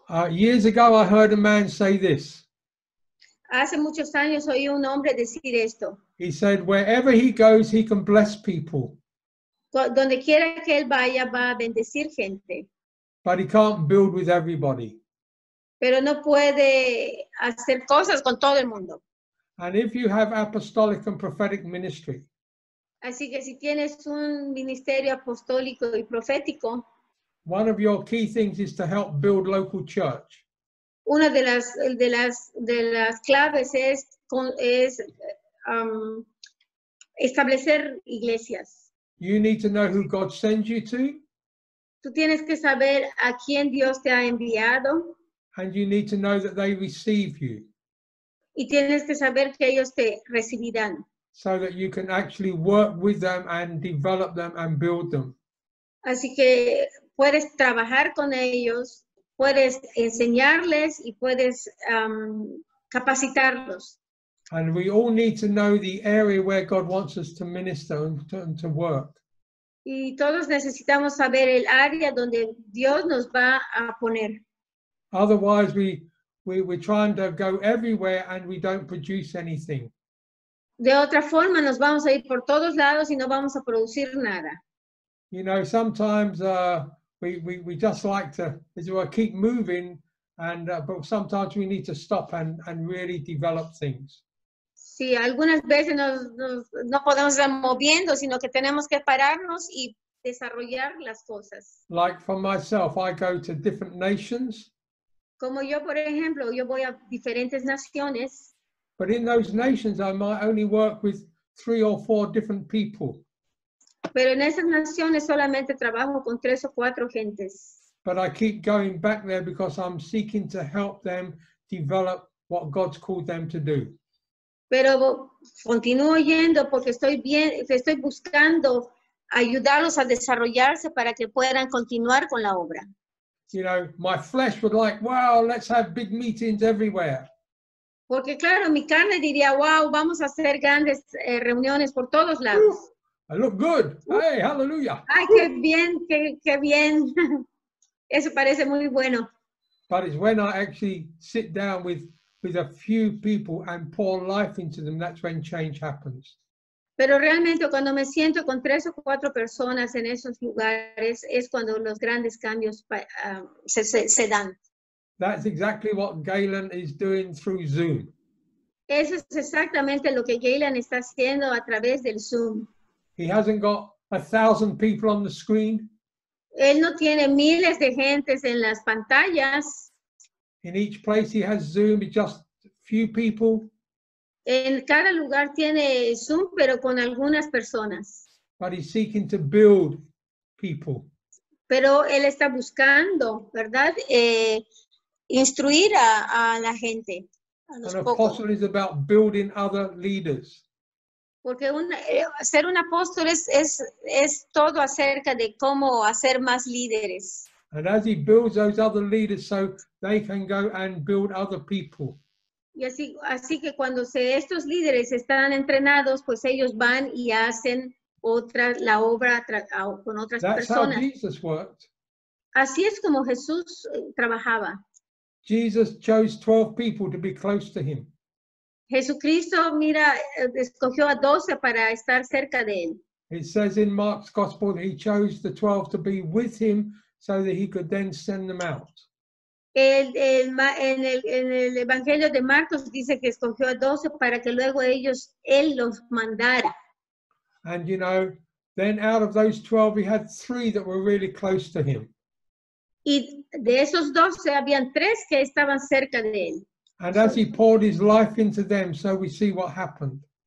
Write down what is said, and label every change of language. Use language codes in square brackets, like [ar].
[en] Years ago I heard a man say this. [es] Hace muchos años oí un hombre decir esto. [en] He said, wherever he goes, he can bless people. [es] Donde quiera que él vaya, va a bendecir gente. [en] But he can't build with everybody. [es] Pero no puede hacer cosas con todo el mundo. [en] And if you have apostolic and prophetic ministry. [es] Así que si tienes un ministerio apostólico y profético. [en] One of your key things is to help build local church. [es] Una de las claves es establecer iglesias. [en] You need to know who God sends you to. [es] Tú tienes que saber a quién Dios te ha enviado. [en] And you need to know that they receive you. [es] Y tienes que saber que ellos te recibirán. [en] So that you can actually work with them and develop them and build them. [es] Así que puedes trabajar con ellos, puedes enseñarles y puedes capacitarlos. [en] And we all need to know the area where God wants us to minister and to work. [es] Y todos necesitamos saber el área donde Dios nos va a poner. [en] Otherwise we're trying to go everywhere and we don't produce anything. [es] De otra forma nos vamos a ir por todos lados y no vamos a producir nada. [en] You know, sometimes we just like to, as it were, keep moving, but sometimes we need to stop and really develop things. [es] Sí, algunas veces no podemos estar moviendo, sino que tenemos que pararnos y desarrollar las cosas. [en] Like for myself, I go to different nations. [es] Como yo, por ejemplo, yo voy a diferentes naciones. [en] But in those nations, I might only work with 3 or 4 different people. [es] Pero en esas naciones solamente trabajo con 3 o 4 gentes. [en] But I keep going back there because I'm seeking to help them develop what God's called them to do. [es] Pero continúo yendo porque estoy buscando ayudarlos a desarrollarse para que puedan continuar con la obra. [en] You know, my flesh would like, wow, let's have big meetings everywhere. [es] Porque claro, mi carne diría, wow, vamos a hacer grandes reuniones por todos lados. Ooh. [en] I look good. Hey, hallelujah. [es] Ay, qué bien, qué bien. Eso parece muy bueno. [en] But it's when I actually sit down with a few people and pour life into them, that's when change happens. [es] Pero realmente cuando me siento con 3 o 4 personas en esos lugares, es cuando los grandes cambios se dan. [en] That's exactly what Galen is doing through Zoom. [es] Eso es exactamente lo que Galen está haciendo a través del Zoom. [en] He hasn't got 1,000 people on the screen. [es] Él no tiene miles de gentes en las pantallas. [en] In each place he has Zoom, just a few people. [es] En cada lugar tiene Zoom, pero con algunas personas. [en] But he's seeking to build people. [es] Pero él está buscando, ¿verdad? Instruir a la gente. [en] An apostle is about building other leaders. [es] Porque ser un apóstol es todo acerca de cómo hacer más líderes. [en] And as he builds those other leaders so they can go and build other people. [es] Y así que cuando estos líderes están entrenados, pues ellos van y hacen la obra con otras personas. [en] That's how Jesus worked. [es] Así es como Jesús trabajaba. [en] Jesus chose 12 people to be close to him. [es] Jesucristo, mira, escogió a 12 para estar cerca de él. [en] It says in Mark's gospel that he chose the 12 to be with him so that he could then send them out. [es] En el Evangelio de Marcos dice que escogió a 12 para que luego él los mandara. [en] And you know, then out of those 12, he had 3 that were really close to him. [es] Y de esos 12, habían 3 que estaban cerca de él. [en] And as he poured his life into them, so we see what happened.